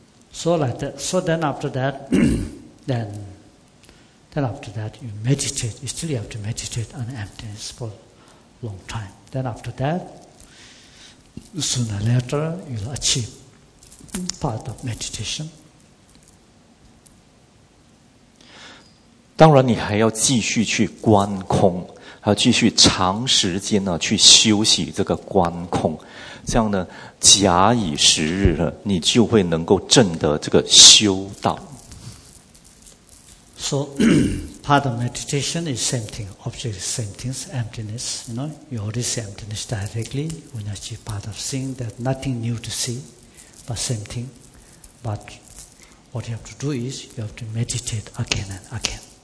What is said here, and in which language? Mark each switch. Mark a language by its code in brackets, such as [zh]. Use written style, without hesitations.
[en] So like that, so then after that, then after that you meditate, you still have to meditate on emptiness for a long time. Then after that, sooner or later you'll achieve part of meditation. [zh] 当然你还要继续去观空，还要继续长时间呢去休息这个观空，这样呢假以时日呢，你就会能够证得这个修道。 [en] So part of meditation is same thing, object is same thing, emptiness, you know, you already see emptiness directly when you achieve part of seeing that nothing new to see, but same thing. But what you have to do is you have to meditate again and again.